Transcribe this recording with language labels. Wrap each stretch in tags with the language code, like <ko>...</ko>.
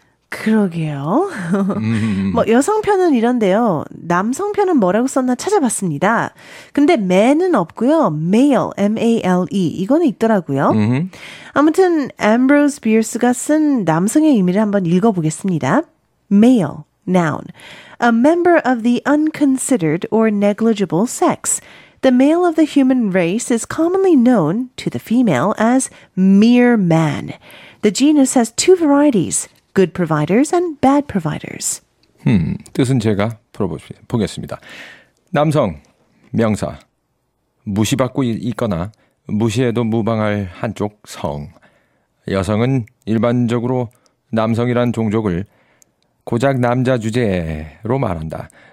<ko>그러게요. 뭐 여성편은 이런데요. 남성편은 뭐라고 썼나 찾아봤습니다. 근데 man은 없고요. male, M-A-L-E. 이거는 있더라고요. 아무튼 Ambrose Bierce가 쓴 남성의 의미를 한번 읽어보겠습니다.</ko> <en>Male, noun. A member of the unconsidered or negligible sex. The male of the human race is commonly known to the female as mere man. The genus has two varieties. Good providers and bad providers.</en> <ko>뜻은 제가 풀어보겠습니다. 남성, 명사, 무시받고 있거나 무시해도 무방할 한쪽 성. 여성은 일반적으로 남성이란 종족을 고작 남자 주제로 말한다.</ko>